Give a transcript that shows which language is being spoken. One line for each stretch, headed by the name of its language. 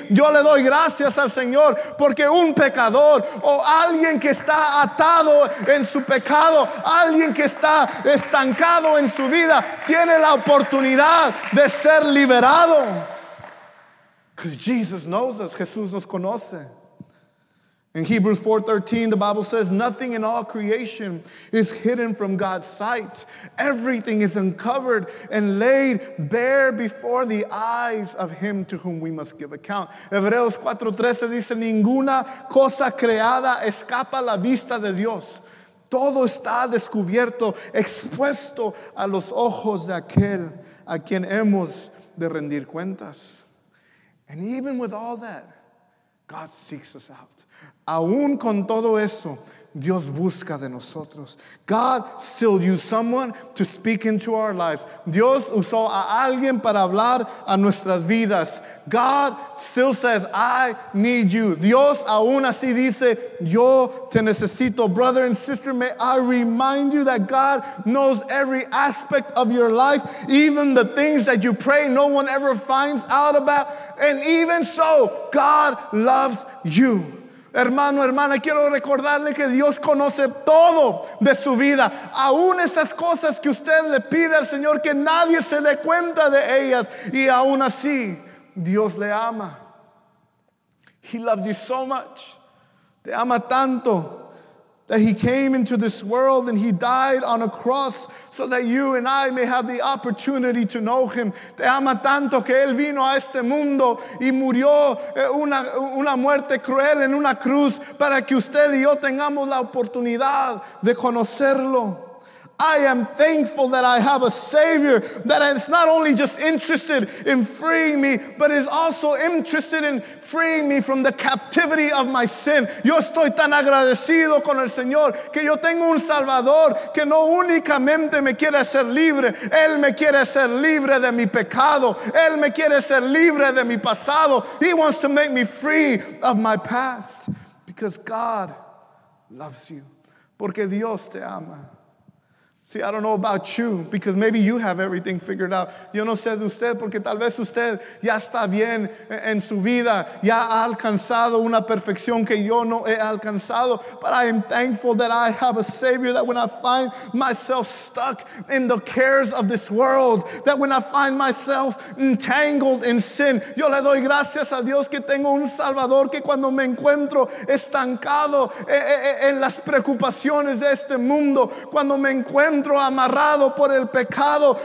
Spanish: Yo le doy gracias al Señor porque un pecador o alguien que está atado en su pecado, alguien que está estancado en su vida, tiene la oportunidad de ser liberado.
English: Because Jesus knows us.
Spanish: Jesús nos conoce.
English: In Hebrews 4:13, the Bible says, "Nothing in all creation is hidden from God's sight. Everything is uncovered and laid bare before the eyes of him to whom we must give account."
Spanish: Hebreos 4:13 dice, "Ninguna cosa creada escapa la vista de Dios. Todo está descubierto, expuesto a los ojos de aquel a quien hemos de rendir cuentas."
English: And even with all that, God seeks us out.
Spanish: Aún con todo eso, Dios busca de nosotros.
English: God still used someone to speak into our lives.
Spanish: Dios usó a alguien para hablar a nuestras vidas.
English: God still says, "I need you."
Spanish: Dios aún así dice, "Yo te necesito."
English: Brother and sister, may I remind you that God knows every aspect of your life, even the things that you pray no one ever finds out about. And even so, God loves you.
Spanish: Hermano, hermana, quiero recordarle que Dios conoce todo de su vida. Aún esas cosas que usted le pide al Señor que nadie se dé cuenta de ellas. Y aún así, Dios le ama.
English: He loves you so much.
Spanish: Te ama tanto
English: that he came into this world and he died on a cross so that you and I may have the opportunity to know him.
Spanish: Te ama tanto que él vino a este mundo y murió una muerte cruel en una cruz para que usted y yo tengamos la oportunidad de conocerlo.
English: I am thankful that I have a Savior that is not only just interested in freeing me, but is also interested in freeing me from the captivity of my sin.
Spanish: Yo estoy tan agradecido con el Señor que yo tengo un Salvador que no únicamente me quiere hacer libre. Él me quiere hacer libre de mi pecado. Él me quiere hacer libre de mi pasado.
English: He wants to make me free of my past because God loves you.
Spanish: Porque Dios te ama.
English: See, I don't know about you, because maybe you have everything figured out.
Spanish: Yo no sé de usted, porque tal vez usted ya está bien en su vida, ya ha alcanzado una perfección que yo no he alcanzado.
English: But I am thankful that I have a Savior, that when I find myself stuck in the cares of this world, that when I find myself entangled in sin,
Spanish: yo le doy gracias a Dios que tengo un Salvador que cuando me encuentro estancado en las preocupaciones de este mundo, cuando me encuentro amarrado por el pecado,